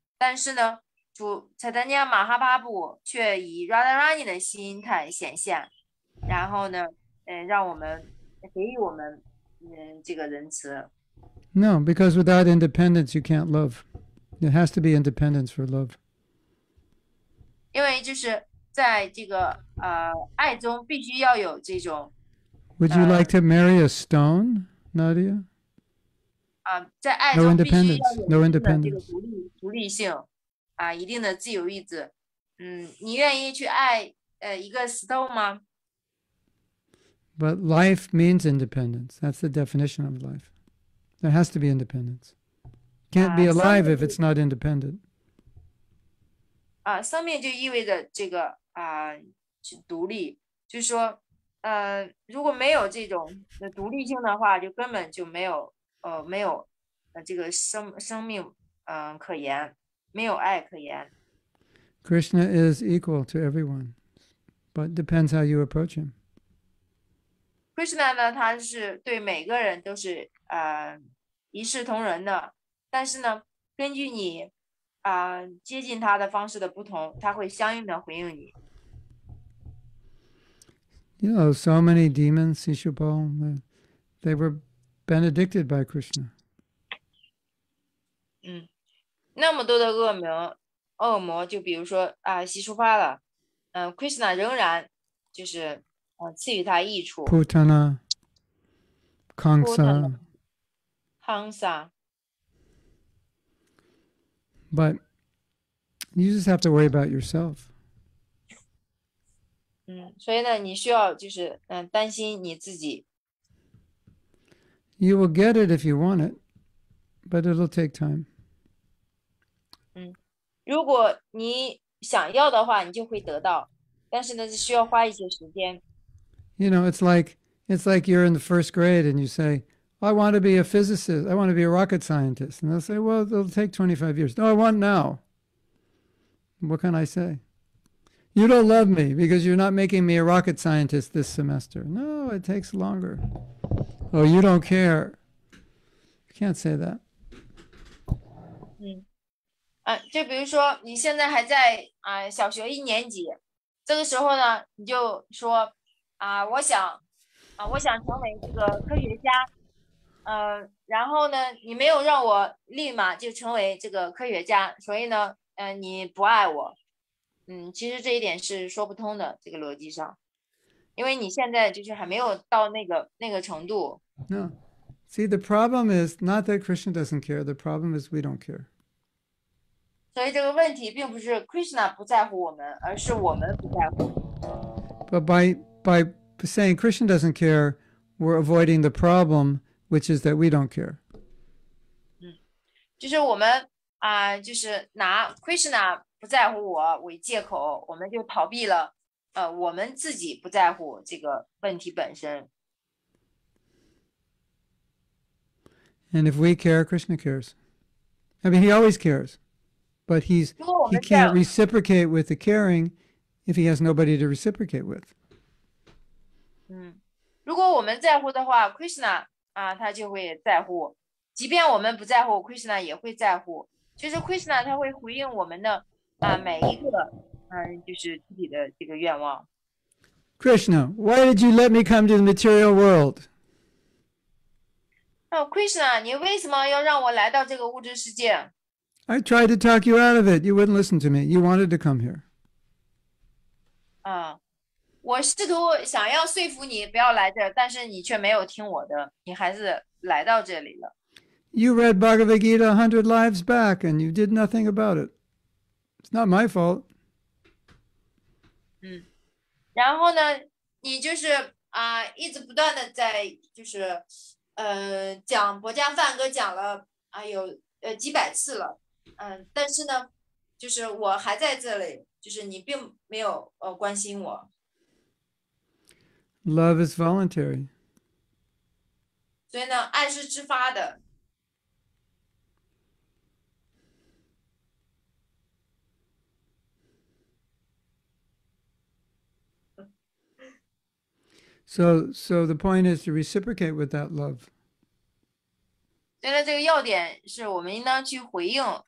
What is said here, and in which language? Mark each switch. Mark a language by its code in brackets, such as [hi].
[zh] 但是呢，主Chaitanya Mahaprabhu却以Radharani的心态显现，然后呢，让我们给予我们这个仁慈。 [en] No, because without independence, you can't love. There has to be independence for love. [zh] 因为就是在这个爱中必须要有这种。 [en] Would you like to marry a stone, Nadia? [zh] 在爱中必须要有 [en] No independence. [zh] 独立性一定的自由意志。你愿意去爱一个 stone 吗？ [en] But life means independence. That's the definition of life. There has to be independence. Can't be alive if it's not independent. [zh] 生命就意味着这个独立，就是说如果没有这种独立性的话，就根本就没有没有这个生命可言，没有爱可言。 [en] Krishna is equal to everyone, but depends how you approach him. [zh] Krishna 呢，他是对每个人都是一视同仁的，但是呢，根据你接近他的方式的不同，他会相应的回应你。 [en] You know, so many demons, Sishupal, they were benedicted by Krishna. [zh] 那么多的恶名。恶魔就比如说西出发了Krishna 仍然就是赐予他益处 [en] Putana Kansa Kansa But you just have to worry about yourself [zh] 所以呢你需要就是担心你自己 [en] You will get it if you want it But it'll take time [zh] 如果你想要的话，你就会得到，但是呢，是需要花一些时间。 [en] You know, it's like you're in the first grade and you say, I want to be a physicist, I want to be a rocket scientist. And they'll say, well, it'll take 25 years. No, I want now. What can I say? You don't love me because you're not making me a rocket scientist this semester. No, it takes longer. Oh, you don't care. You can't say that. [zh] 就比如说你现在还在小学一年级这个时候呢你就说我想成为这个科学家然后呢你没有让我立马就成为这个科学家所以呢你不爱我其实这一点是说不通的这个逻辑上因为你现在就是还没有到那个程度 [en] No. See, the problem is not that Krishna doesn't care, the problem is we don't care. [zh] 所以这个问题并不是 Krishna 不在乎我们，而是我们不在乎。 [en] But by saying Krishna doesn't care, we're avoiding the problem, which is that we don't care. [zh] 就是我们就是拿 Krishna 不在乎我为借口，我们就逃避了我们自己不在乎这个问题本身。 [en] And if we care, Krishna cares. I mean, he always cares. But he can't reciprocate with the caring if he has nobody to reciprocate with. [zh] 如果我们在乎的话 ，Krishna 他就会在乎。即便我们不在乎 ，Krishna 也会在乎。就是 Krishna 他会回应我们的每一个就是自己的这个愿望。 [en] Krishna, why did you let me come to the material world? [zh] Krishna, 你为什么要让我来到这个物质世界？ [en] I tried to talk you out of it. You wouldn't listen to me. You wanted to come here. 我试图想要说服你不要来这儿，但是你却没有听我的，你还是来到这里了。 You read Bhagavad Gita 100 lives back, and you did nothing about it. It's not my fault. [zh] 然后呢，你就是一直不断的在就是讲《薄伽梵歌》讲了有几百次了。但是呢，就是我还在这里，就是你并没有关心我。 [en] Love is voluntary. [zh] 所以呢，爱是自发的。 [en] So the point is to reciprocate with that love. [zh] 所以呢，这个要点是我们应当去回应。